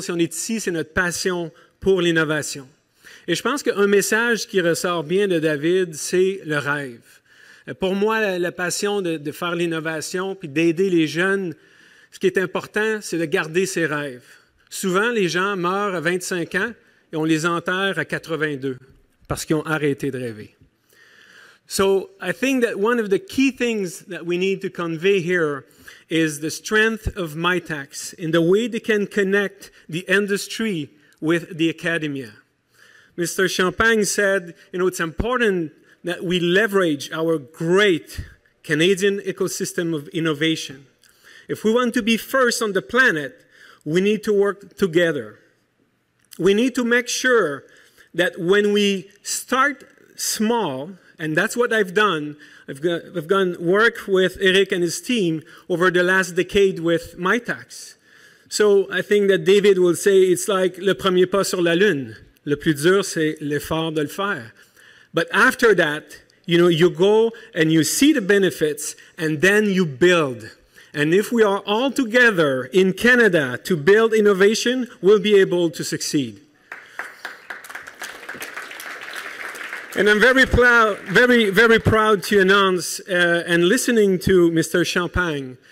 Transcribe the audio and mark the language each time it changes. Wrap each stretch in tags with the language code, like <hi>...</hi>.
<fr>Si on est ici, c'est notre passion pour l'innovation. Et je pense qu'un message qui ressort bien de David, c'est le rêve. Pour moi, la passion de faire l'innovation puis d'aider les jeunes, ce qui est important, c'est de garder ses rêves. Souvent, les gens meurent à 25 ans et on les enterre à 82 parce qu'ils ont arrêté de rêver.</fr> <en>So I think that one of the key things that we need to convey here is the strength of MITAX in the way they can connect the industry with the academia. Mr. Champagne said, you know, it's important that we leverage our great Canadian ecosystem of innovation. If we want to be first on the planet, we need to work together. We need to make sure that when we start small, and that's what I've done, I've gone work with Eric and his team over the last decade with MITAX. So I think that David will say it's like</en> <fr>le premier pas sur la lune. Le plus dur, c'est l'effort de le faire.</fr> <en>But after that, you know, you go and you see the benefits, and then you build. And if we are all together in Canada to build innovation, we'll be able to succeed. And I'm very proud to announce, and listening to Mr. Champagne.</en>